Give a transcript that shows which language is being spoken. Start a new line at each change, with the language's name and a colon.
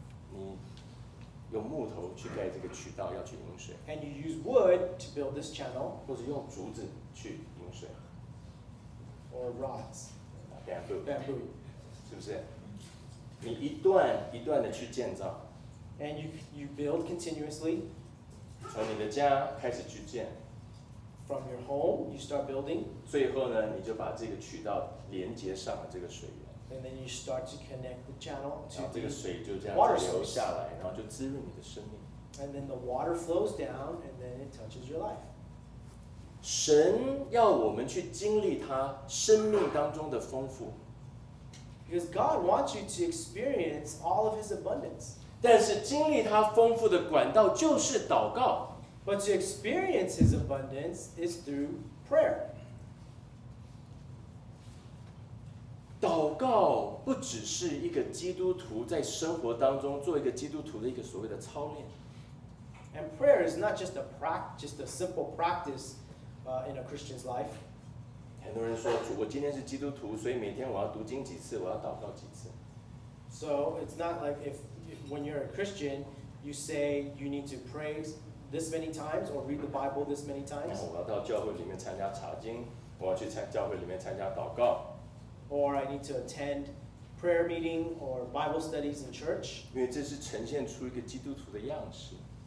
Chinese: 你用木头去盖这个渠道，要去引水。
English: And you use wood to build this channel.
Chinese: 或者用竹子去引水。
English: Or rods. Bamboo.
Chinese: 是不是？
English: Mm-hmm.
Chinese: 你一段一段的去建造。
English: And you build continuously.
Chinese: 从你的家开始去建。
English: from your home, you start building.
Chinese: 最后呢，你就把这个渠道连接上了这个水源。
English: And then you start to connect the channel to the
Chinese: 然后这个水就这样流下来，然后就滋润你的生命。
English: And then the water flows down, and then it touches your life.
Chinese: 神要我们去经历他生命当中的丰富。
English: Because God wants you to experience all of His abundance.
Chinese: 但是经历他丰富的管道就是祷告。
English: But to experience His abundance is through prayer.
Chinese: 祷告不只是一个基督徒在生活当中做一个基督徒的一个所谓的操练。
English: And prayer is not just a simple practice, in a Christian's life.
Chinese: 很多人说，主，我今天是基督徒，所以每天我要读经几次，我要祷告几次。
English: So it's not like if when you're a Christian, you say you need to pray this many times or read the Bible this many times.
Chinese: 我要到教会里面参加查经，我要去教会里面参加祷告。
English: Or I need to attend prayer meeting or Bible studies in church.
Chinese: 因为这是呈现出一个基督徒的样式。